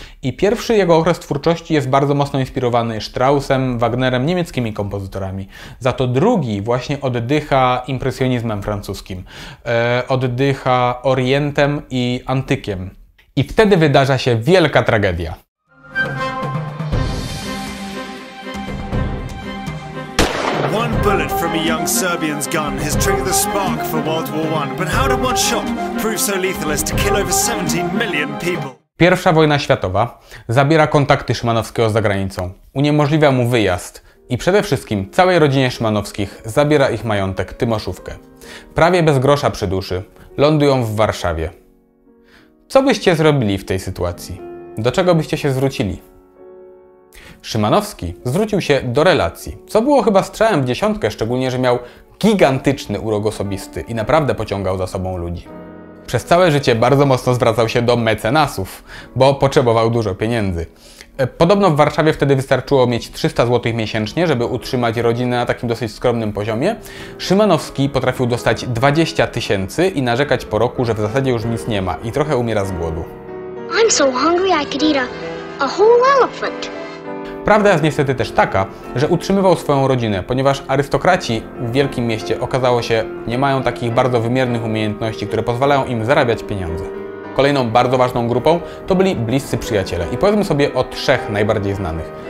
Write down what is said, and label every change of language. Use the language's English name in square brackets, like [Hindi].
[Polish] I pierwszy jego okres twórczości jest bardzo mocno inspirowany Straussem, Wagnerem, niemieckimi kompozytorami. Za to drugi właśnie oddycha impresjonizmem francuskim. Oddycha Orientem i Antykiem. I wtedy wydarza się wielka tragedia. [English] One bullet from a young Serbian's gun has triggered the spark for World War I, but how did one shot prove so lethal as to kill over 17 million people? [Polish] Pierwsza wojna światowa zabiera kontakty Szymanowskiego za granicą, uniemożliwia mu wyjazd i przede wszystkim całej rodzinie Szymanowskich zabiera ich majątek, Tymoszówkę. Prawie bez grosza przy duszy lądują w Warszawie. Co byście zrobili w tej sytuacji? Do czego byście się zwrócili? Szymanowski zwrócił się do relacji, co było chyba strzałem w dziesiątkę, szczególnie, że miał gigantyczny urok osobisty i naprawdę pociągał za sobą ludzi. Przez całe życie bardzo mocno zwracał się do mecenasów, bo potrzebował dużo pieniędzy. Podobno w Warszawie wtedy wystarczyło mieć 300 zł miesięcznie, żeby utrzymać rodzinę na takim dosyć skromnym poziomie. Szymanowski potrafił dostać 20 tysięcy i narzekać po roku, że w zasadzie już nic nie ma i trochę umiera z głodu. [English] I'm so hungry I could eat a whole elephant. [Polish] Prawda jest niestety też taka, że utrzymywał swoją rodzinę, ponieważ arystokraci w wielkim mieście okazało się nie mają takich bardzo wymiernych umiejętności, które pozwalają im zarabiać pieniądze. Kolejną bardzo ważną grupą to byli bliscy przyjaciele i powiedzmy sobie o trzech najbardziej znanych.